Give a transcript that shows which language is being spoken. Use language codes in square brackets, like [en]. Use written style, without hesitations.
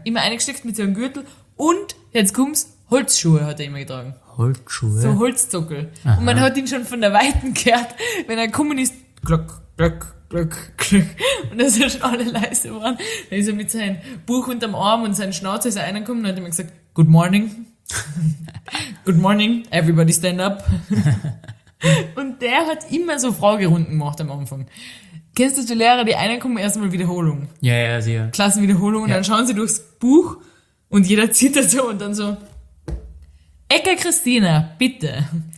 [de] Immer eingesteckt mit so einem Gürtel. Und, jetzt kommt's, Holzschuhe hat er immer getragen. Holzschuhe? So Holzzockel. Aha. Und man hat ihn schon von der Weiten gehört, wenn er gekommen ist, glock, glock. Glück, Glück. Und dann sind schon alle leise geworden. Dann ist er mit seinem Buch unterm Arm und seinem Schnauzer ist er reingekommen und hat immer gesagt, [en] Good morning. Good morning, everybody stand up. [de] Und der hat immer so Fragerunden gemacht am Anfang. Kennst du die Lehrer, die reingekommen, erstmal Wiederholung? Ja, sicher. Klassenwiederholung und dann schauen sie durchs Buch und jeder zittert so und dann so, Ecke Christina, bitte.